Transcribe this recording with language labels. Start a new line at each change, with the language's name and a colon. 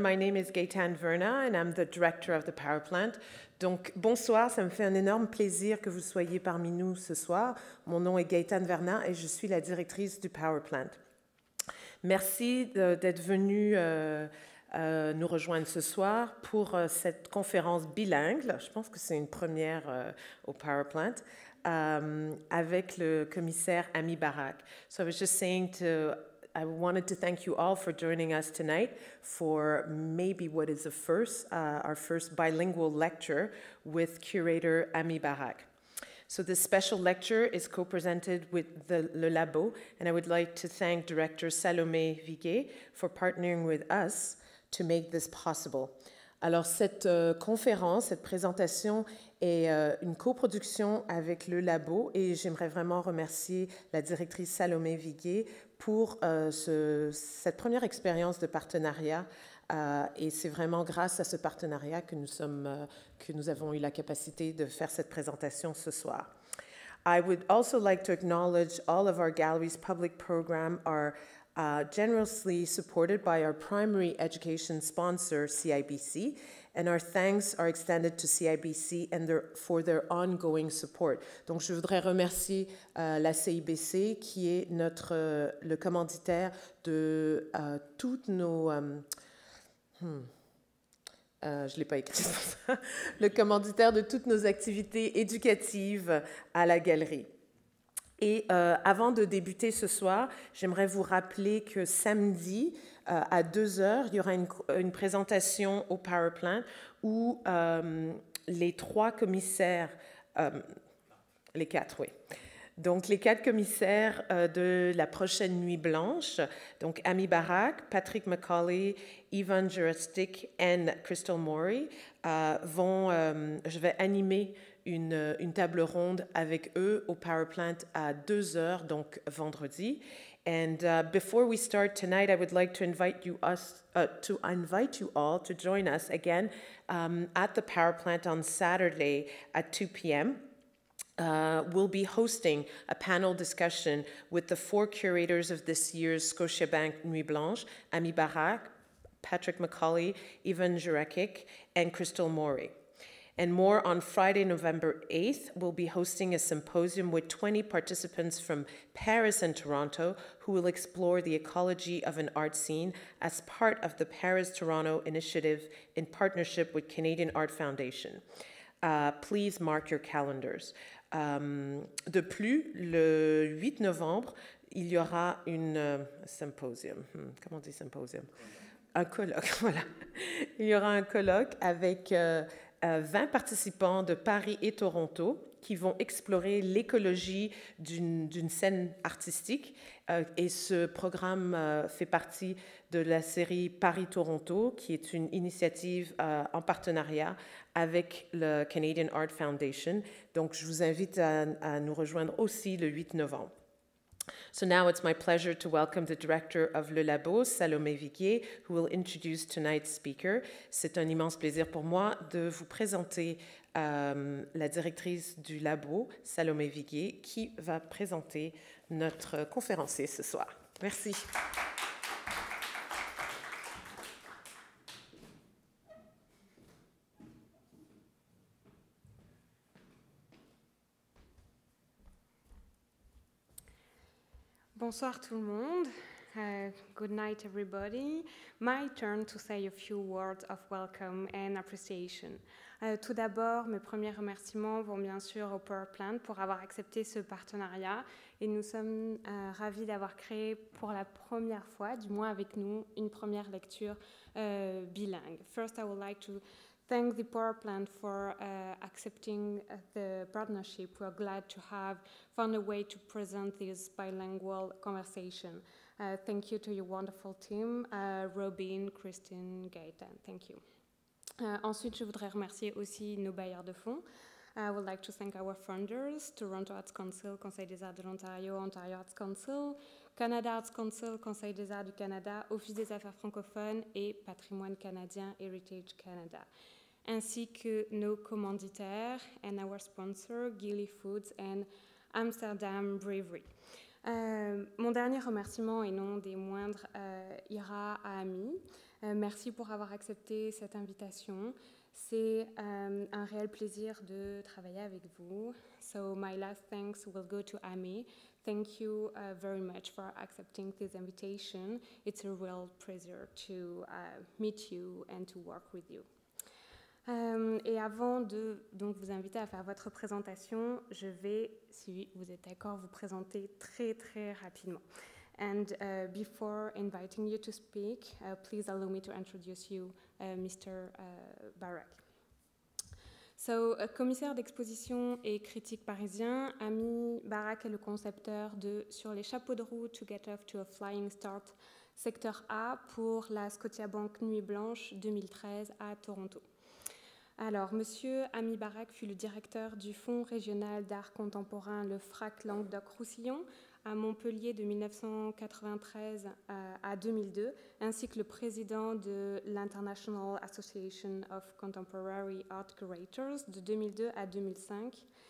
English: My name is Gaëtan Verna and I'm the director of the power plant.
French: Donc bonsoir, ça me fait un énorme plaisir que vous soyez parmi nous ce soir. Mon nom est Gaëtan Verna et je suis la directrice du power plant. Merci d'être venu nous rejoindre ce soir pour cette conférence bilingue. Je pense que c'est une première au power plant. Avec le commissaire Ami Barak.
English: So I was just saying to, I wanted to thank you all for joining us tonight for maybe what is the first, our first bilingual lecture with curator Ami Barak. So this special lecture is co-presented with the Labo, and I would like to thank director Salomé Viguet for partnering with us to make this possible.
French: Alors cette conférence, cette présentation est une coproduction avec le Labo et j'aimerais vraiment remercier la directrice Salomé Viguet pour cette première expérience de partenariat et c'est vraiment grâce à ce partenariat que nous avons eu la capacité de faire cette présentation ce soir.
English: I would also like to acknowledge all of our gallery's public program are generously supported by our primary education sponsor, CIBC, and our thanks are extended to CIBC and for their ongoing support.
French: Donc, je voudrais remercier la CIBC qui est le commanditaire de toutes nos. Je l'ai pas écrit. Le commanditaire de toutes nos activités éducatives à la galerie. Et avant de débuter ce soir, j'aimerais vous rappeler que samedi, à 2h, il y aura une présentation au Power Plant où les quatre commissaires de la prochaine Nuit Blanche, donc Ami Barak, Patrick McCauley, Yvonne Juristic et Crystal Mori, je vais animer une table ronde avec eux au Power Plant à 2h, donc vendredi.
English: And before we start tonight, I would like to invite you all to join us again at the Power Plant on Saturday at 2 p.m. We'll be hosting a panel discussion with the four curators of this year's Scotiabank Nuit Blanche, Ami Barak, Patrick McCauley, Yvonne Jurekic, and Crystal Mori. And more on Friday, November 8th, we'll be hosting a symposium with 20 participants from Paris and Toronto who will explore the ecology of an art scene as part of the Paris-Toronto initiative in partnership with Canadian Art Foundation. Please mark your calendars.
French: De plus, le 8 novembre, il y aura une symposium. Comment on dit symposium? Un colloque, voilà. Il y aura un colloque avec 20 participants de Paris et Toronto qui vont explorer l'écologie d'une scène artistique. Et ce programme fait partie de la série Paris-Toronto, qui est une initiative en partenariat avec le Canadian Art Foundation. Donc, je vous invite à nous rejoindre aussi le 8 novembre.
English: So now it's my pleasure to welcome the director of Le Labo, Salomé Viguet, who will introduce tonight's speaker.
French: C'est un immense plaisir pour moi de vous présenter la directrice du Labo, Salomé Viguet, qui va présenter notre conférencier ce soir. Merci. Bonsoir tout le monde.
English: Good night, everybody. My turn to say a few words of welcome and appreciation.
French: Tout d'abord, mes premiers remerciements vont bien sûr au Power Plant pour avoir accepté ce partenariat. Et nous sommes ravis d'avoir créé pour la première fois, du moins avec nous, une première lecture bilingue.
English: First, I would like to thank the Power Plant for accepting the partnership. We are glad to have found a way to present this bilingual conversation. Thank you to your wonderful team, Robin, Christine, Gaëtan. Thank you.
French: Ensuite, je voudrais remercier aussi nos bailleurs de fonds.
English: I would like to thank our funders, Toronto Arts Council, Conseil des Arts de l'Ontario, Ontario Arts Council, Canada Arts Council, Conseil des Arts du Canada, Office des Affaires francophones et Patrimoine canadien, Heritage Canada,
French: ainsi que nos commanditaires
English: and our sponsor, Gilly Foods and Amsterdam Brewery.
French: Mon dernier remerciement, et non des moindres, ira à Ami. Merci pour avoir accepté cette invitation. C'est un réel plaisir de travailler avec vous.
English: So my last thanks will go to Amy. Thank you very much for accepting this invitation. It's a real pleasure to meet you and to work with you.
French: Et avant de donc vous inviter à faire votre présentation, je vais, si vous êtes d'accord, vous présenter très très rapidement.
English: And before inviting you to speak, please allow me to introduce you, Mr. Barak.
French: So, commissaire d'exposition et critique parisien, Ami Barak est le concepteur de Sur les chapeaux de roue, To Get Off to a Flying Start, secteur A, pour la Scotiabank Nuit Blanche 2013 à Toronto. Alors, Monsieur Ami Barak fut le directeur du Fonds régional d'art contemporain, le FRAC Languedoc-Roussillon, à Montpellier de 1993 à 2002, ainsi que le président de l'International Association of Contemporary Art Curators de 2002 à 2005.